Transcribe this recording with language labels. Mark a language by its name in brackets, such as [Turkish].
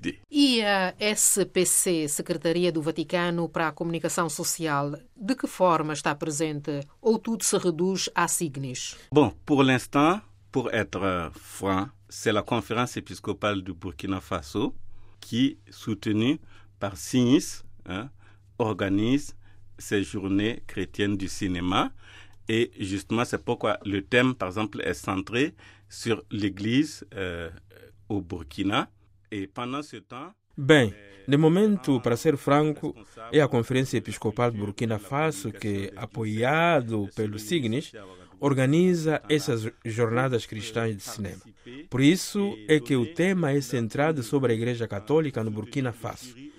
[Portuguese] E a SPC, Secretaria do Vaticano para a Comunicação Social, de que forma está presente ou tudo se reduz a signos? [French] Bom, por l'instant, pour être franc, c'est la conférence épiscopale du Burkina Faso qui, soutenue par CINIS, hein, organise ces journées chrétiennes du cinéma. Et justement, c'est pourquoi le thème, par exemple, est centré sur l'Église au Burkina. Et pendant ce temps... [Portuguese] Bem, de momento, para ser franco, é a Conferência Episcopal do Burkina Faso que, apoiado pelo CIGNIS, organiza essas jornadas cristãs de cinema. Por isso é que o tema é centrado sobre a Igreja Católica no Burkina Faso.